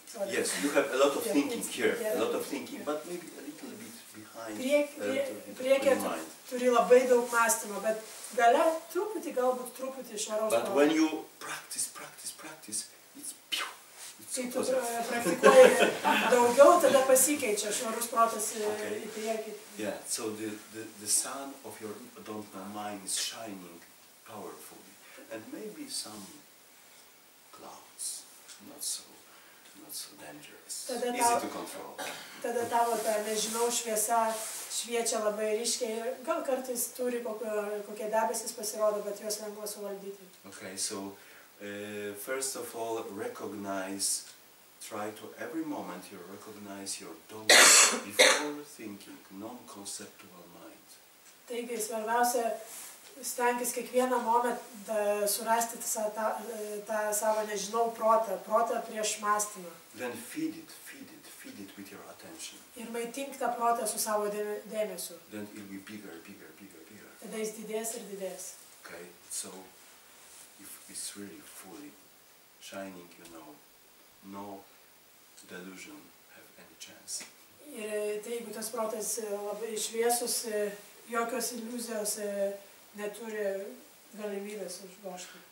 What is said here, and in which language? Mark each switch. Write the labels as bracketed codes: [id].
[en] Yes, you have a lot of thinking here, a lot of thinking, but maybe a little bit behind. [lt] Priekyje turi labai daug mąstymo, bet gale truputį, galbūt truputį švaraus. [en] But when you practice, it's pew. [lt] Kai tu praktikuoji daugiau, tada pasikeičia švarus protas į priekį. [en] Yeah, so the sun of your don't know mind is shining powerfully, and maybe some clouds, not so dangerous, easy to control. [lt] Tada tavo ta nežinau šviesa šviečia labai ryškiai, gal kartais turi kokie debesis pasirodo, bet juos lengva suvaldyti. [en] Okay, so first of all, recognize, try to every moment you recognize your thoughts before thinking, non-conceptual mind. [lt] Taigi, svarbiausia, stengtis kiekvieną momentą surasti tą savo nežinau protą prieš mąstymą. [en] Then feed it with your attention. [lt] Ir maitink tą protą su savo dėmesiu. [en] Then it'll be bigger. [lt] Tada jis didės ir didės. [en] Okay, so if it's really fully shining, you know, no delusion have any chance. [lt] Ir tai, jeigu tas protas labai šviesus, jokios iliuzijos neturi galimybės užgošti.